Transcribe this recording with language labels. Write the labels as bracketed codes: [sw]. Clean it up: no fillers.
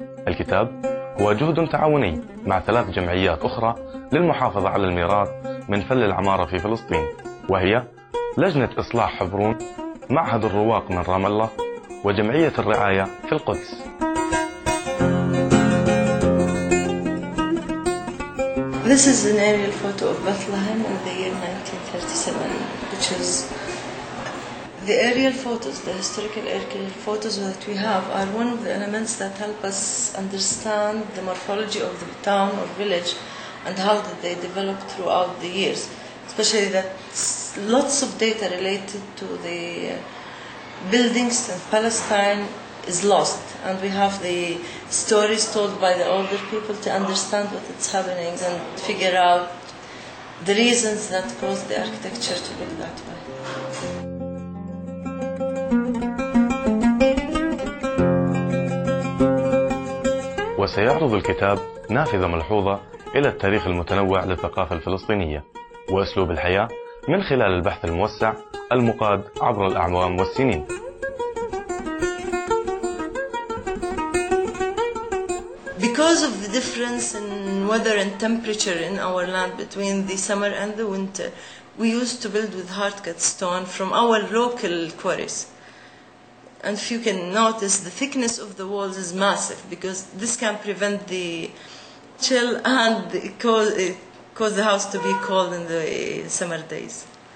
[ar] الكتاب هو جهد تعاوني مع 3 جمعيات أخرى للمحافظة على الميراث من فل العمارة في فلسطين، وهي لجنة إصلاح حبرون، معهد الرواق من رام الله، وجمعية الرعاية في القدس. [en] This is an aerial photo of Bethlehem in the year 1937, which is the aerial photos, the historical aerial photos that we have are one of the elements that help us understand the morphology of the town or village and how did they develop throughout the years, especially that lots of data related to the buildings in Palestine is lost, and we have the stories told by the older people to understand what is happening and figure out the reasons that caused the architecture to look that way. [ar] وسيعرض الكتاب نافذة ملحوظة إلى التاريخ المتنوع للثقافة الفلسطينية وأسلوب الحياة من خلال البحث الموسع المقاد عبر الأعوام والسنين. [en] Because of the difference in weather and temperature in our land between the summer and the winter, we used to build with hard-cut stone from our local quarries. And if you can notice, the thickness of the walls is massive because this can prevent the chill and cause the house to be cold in the summer days.